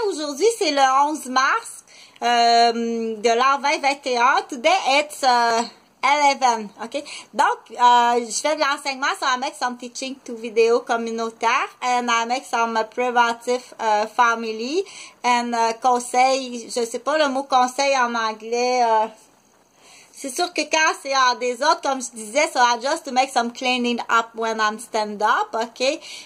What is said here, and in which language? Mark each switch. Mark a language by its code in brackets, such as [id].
[fr] Aujourd'hui, c'est le 11 mars de l'an 2021. [en] Today, it's 11. Okay? [fr] Donc, je fais de l'enseignement. [en] So, I make some teaching to [fr] vidéo communautaire. [en] And I make some preventive family. [fr] And conseil, je sais pas le mot conseil en anglais. C'est sûr que quand c'est en désordre, comme je disais, [en] so I just to make some cleaning up when I'm stand up, ok?